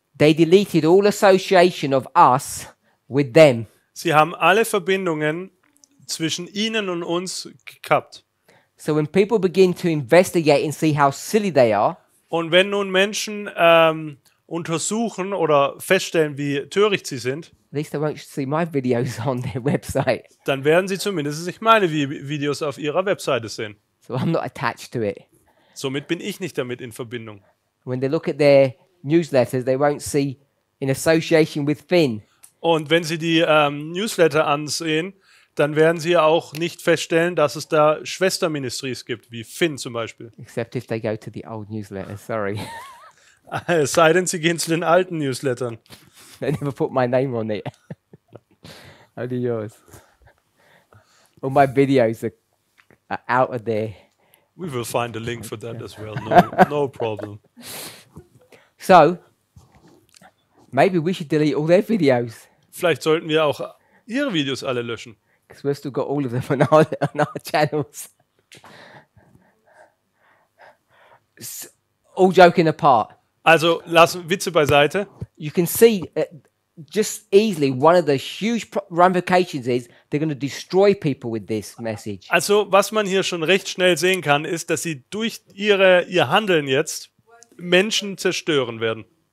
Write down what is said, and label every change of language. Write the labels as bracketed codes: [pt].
[en] They deleted all association of us with them. [de] Sie haben alle Verbindungen zwischen ihnen und uns gekappt. [en] So when people begin to investigate and see how silly they are. [de] Und wenn nun Menschen untersuchen oder feststellen, wie töricht sie sind. [en] At least they won't see my videos on their website. [de] Dann werden sie zumindest nicht meine Videos auf ihrer Webseite sehen. [en] So I'm not attached to it. [de] Somit bin ich nicht damit in Verbindung. [en] When they look at their newsletters, they won't see in association with Finn. [de] Und wenn sie die Newsletter ansehen, dann werden sie auch nicht feststellen, dass es da Schwesterministries gibt, wie Finn zum Beispiel. [en] Except if they go to the old newsletter, sorry. [de] Es sei denn, sie gehen zu den alten Newslettern. [en] They never put my name on it. Only yours. All my videos are out of there. We will find a link for that as well. No, no problem. So, maybe we should delete all their videos. [de] Vielleicht sollten wir auch ihre Videos alle löschen. [en] Because we've still got all of them on our channels. So, all joking apart. [de] Also, lassen Witze beiseite. [en] You can see just easily one of the huge ramifications is they're going to destroy people with this message. [de] Also, was man hier schon recht schnell sehen kann, ist, dass sie durch ihr Handeln jetzt Menschen zerstören werden.